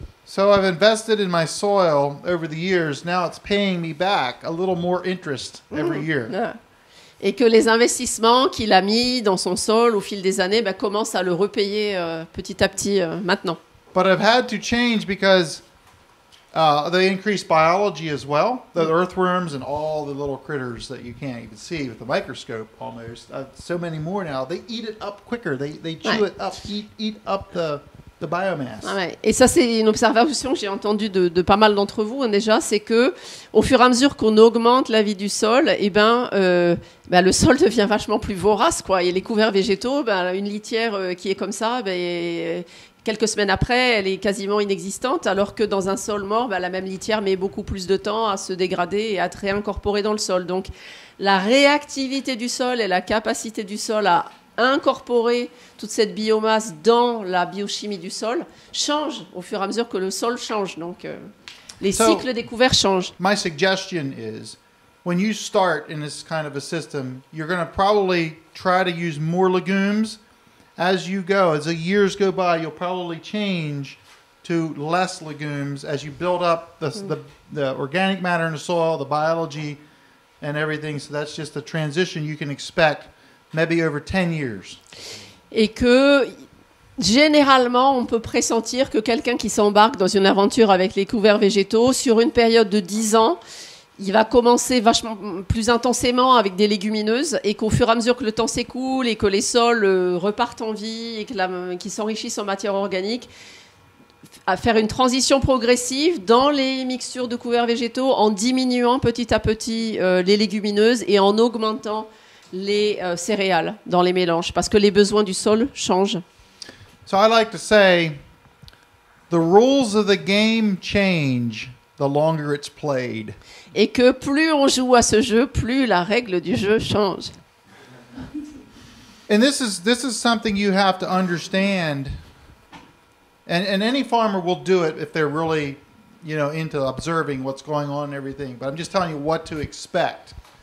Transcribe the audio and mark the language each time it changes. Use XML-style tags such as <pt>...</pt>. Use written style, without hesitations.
<en>So I've invested in my soil over the years. Now it's paying me back a little more interest every year.</en> <fr>Et que les investissements qu'il a mis dans son sol au fil des années commencent à le repayer petit à petit maintenant.</fr> <en>But I've had to change because the increased biology as well. The earthworms and all the little critters that you can't even see with the microscope almost. So many more now. They eat it up quicker. They chew it up, eat up the... The biomass.</en> <fr>Et ça, c'est une observation que j'ai entendue de pas mal d'entre vous déjà, c'est que au fur et à mesure qu'on augmente la vie du sol, le sol devient vachement plus vorace, quoi. Et les couverts végétaux, une litière qui est comme ça, quelques semaines après, elle est quasiment inexistante, alors que dans un sol mort, la même litière met beaucoup plus de temps à se dégrader et à se réincorporer dans le sol. Donc, la réactivité du sol et la capacité du sol à incorporer toute cette biomasse dans la biochimie du sol change au fur et à mesure que le sol change. Donc, les cycles des couverts changent.</fr> <en>My suggestion is, when you start in this kind of a system, you're going to probably try to use more legumes as you go. As the years go by, you'll probably change to less legumes as you build up the organic matter in the soil, the biology, and everything. So that's just a transition you can expect. Maybe over 10 years.</en> <fr>Et que généralement, on peut pressentir que quelqu'un qui s'embarque dans une aventure avec les couverts végétaux, sur une période de 10 ans, il va commencer vachement plus intensément avec des légumineuses et qu'au fur et à mesure que le temps s'écoule et que les sols repartent en vie et qu'ils s'enrichissent en matière organique, à faire une transition progressive dans les mixtures de couverts végétaux en diminuant petit à petit les légumineuses et en augmentant les céréales dans les mélanges parce que les besoins du sol changent.</fr> <en>So I like to say the rules of the game change the longer it's played.</en> <fr>Et que plus on joue à ce jeu, plus la règle du jeu change.</fr> <en>And this is something you have to understand. And any farmer will do it if they're really, you know, into observing what's going on and everything, but I'm just telling you what to expect.</en>